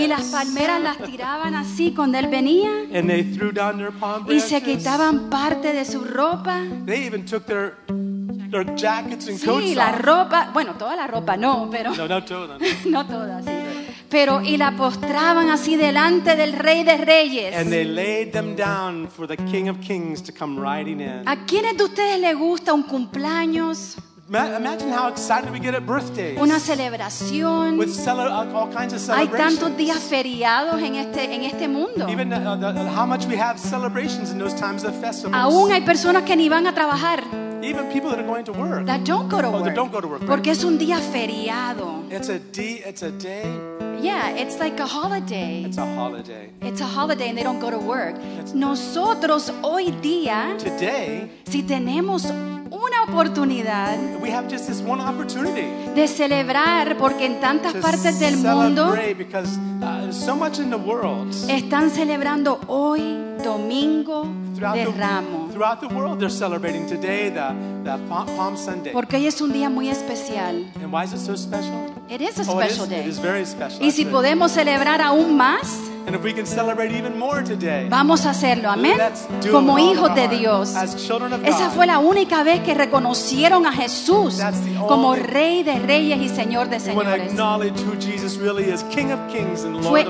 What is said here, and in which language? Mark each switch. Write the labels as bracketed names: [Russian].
[Spanish] Y las palmeras las tiraban así cuando él venía [English] and they threw down their palm branches. [Spanish] Y se quitaban parte de su ropa. [English] They even took their jackets and [Spanish] sí, [English] coats [Spanish] la [English] off. [Spanish] Ropa, bueno, toda la ropa no, pero no todas. No todas. Pero y la postraban así delante del Rey de Reyes. [English] And they laid them down for the King of Kings to come riding in. [Spanish] ¿A quiénes de ustedes les gusta un cumpleaños? [English] Imagine how excited we get at birthdays. [Spanish] Una celebración. [English] With all kinds of celebrations. [Spanish] Hay tantos días feriados en este mundo. [English] Even how much we have celebrations in those times of festivals. [Spanish] Aún hay personas que ni van a trabajar. [English] Even people that are going to work. That don't go to work. That don't go to work. [Spanish] Porque es un día feriado. [English] It's a day. Yeah, it's like a holiday. It's a holiday. It's a holiday and they don't go to work. [Spanish] Nosotros hoy día. [English] Today. [Spanish] Si tenemos una oportunidad [English] we have just this one opportunity [Spanish] de celebrar porque en tantas partes del mundo [English] because, so much in the world, [Spanish] están celebrando hoy domingo de Ramos. [English] Throughout the world they're celebrating today the Palm Sunday. [Spanish] Porque hoy es un día muy especial. [English] And why is it so special? It is a special day. It is very special. [Spanish] Y si podemos celebrar aún más, [English] and if we can celebrate even more today, [Spanish] vamos a hacerlo, amén. Como hijos de Dios. [English] As children of God. [Spanish] Esa fue la única vez que reconocieron a Jesús como Rey de Reyes y Señor de Señores. [English] We want to acknowledge who Jesus really is, King of Kings and Lord of Lords.